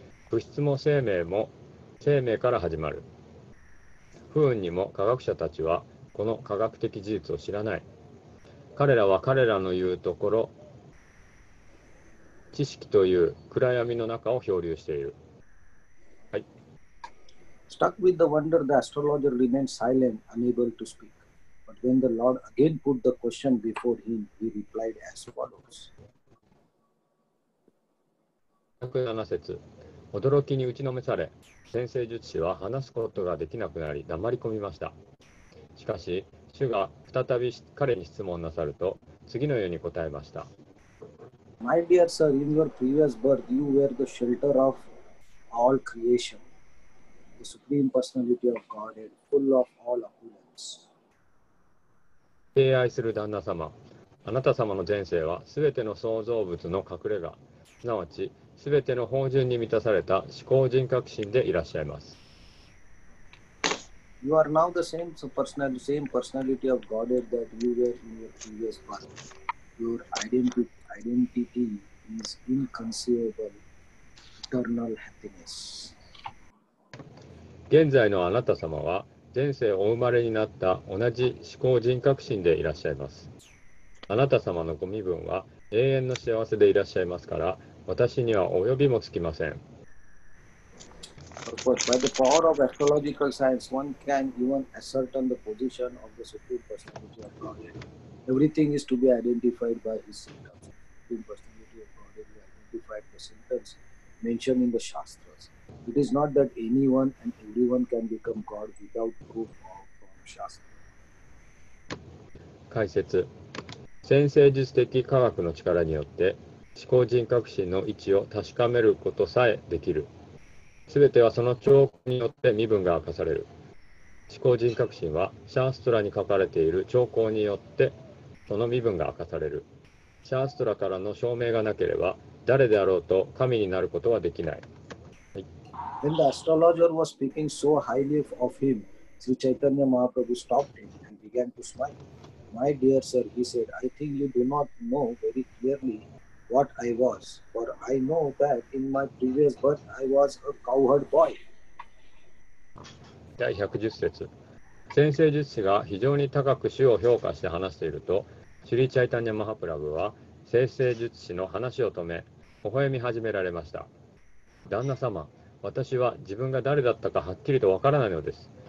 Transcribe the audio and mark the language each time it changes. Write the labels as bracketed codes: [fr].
[ja] 物質も生命も生命から始まる。不運にも科学者たちはこの科学的事実を知らない。彼らは彼らの言うところ、知識という暗闇の中を漂流している。はい。 [en] Stuck with the wonder, the astrologer remained silent, unable to speak. But when the Lord again put the question before him, he replied as follows. [ja] 107節。驚きに打ちのめされ、占星術師は話すことができなくなり黙り込みました。しかし主が再び彼に質問なさると次のように答えました。 [en] My dear sir, in your previous birth you were the shelter of all creation, the supreme personality of Godhead, full of all opulence. [ja] 敬愛する旦那様、あなた様の前世は全ての創造物の隠れ家、すなわち全ての芳醇に満たされた至高人格神でいらっしゃいます。 [en] You are now the same personality of Godhead that you were in your previous birth. Your identity is inconceivable, eternal happiness. [ja] 現在のあなた様は前世お生まれになった同じ至高人格神でいらっしゃいます。あなた様のご身分は永遠の幸せでいらっしゃいますから、私には及びもつきません。 [en] Of course, by the power of astrological science, one can even ascertain the position of the supreme personality of God. Everything is to be identified by his symptoms. Supreme personality of God is identified by symptoms mentioned in the shastras. It is not that anyone and everyone can become God without proof of shastra. [ja] 解説。占星術的科学の力によって至高人格神の位置を確かめることさえできる。すべてはその兆候によって身分が明かされる。至高人格神はシャーストラに書かれている兆候によってその身分が明かされる。シャーストラからの証明がなければ誰であろうと神になることはできない。 [en] When the astrologer was speaking so highly of him, Sri Chaitanya Mahaprabhu stopped him and began to smile. My dear sir, he said, I think you do not know very clearly. What I was, for I know that in my previous birth I was a cowherd boy. [ja] 第110節。占星術師が非常に高く主を評価して話していると、シュリ・チャイタニャ・マハプラブは占星術師の話を止め、微笑み始められました。旦那様、私は自分が誰だったかはっきりとわからないのです。